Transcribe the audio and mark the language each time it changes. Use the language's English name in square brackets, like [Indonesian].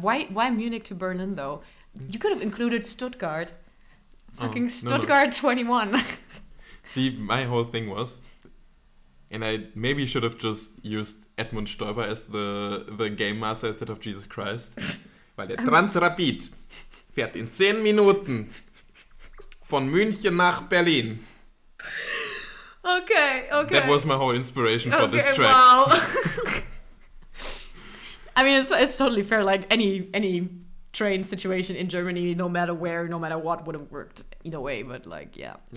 [English] Why Munich to Berlin, though? You could have included Stuttgart. Fucking Stuttgart 21. See, my whole thing was, and I maybe should have just used Edmund Stoiber as the game master instead of Jesus Christ. [German] Weil der Transrapid fährt in 10 Minuten von München nach Berlin. Okay. [English] That was my whole inspiration for this track. Wow. I mean, it's totally fair, like any train situation in Germany, no matter where, no matter what, would have worked either way, but like yeah.